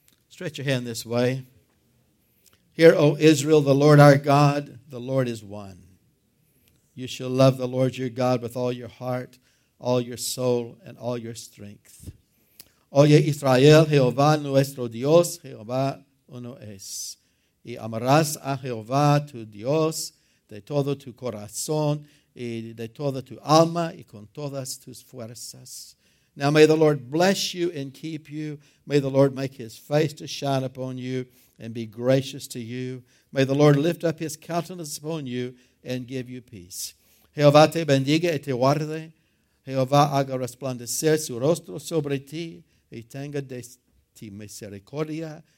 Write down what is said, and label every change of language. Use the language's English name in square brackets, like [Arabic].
[English] Stretch your hand this way. Hear, O Israel, the Lord our God, the Lord is one. You shall love the Lord your God with all your heart, all your soul and all your strength. [Spanish] Oye Israel, Jehová nuestro Dios, Jehová uno es. Y amarás a Jehová tu Dios de todo tu corazón y de toda tu alma y con todas tus fuerzas. [English] Now may the Lord bless you and keep you. May the Lord make his face to shine upon you and be gracious to you. May the Lord lift up his countenance upon you and give you peace. [Spanish] Jehová te bendiga y te guarde. Jehová haga resplandecer su rostro sobre ti y tenga de ti misericordia.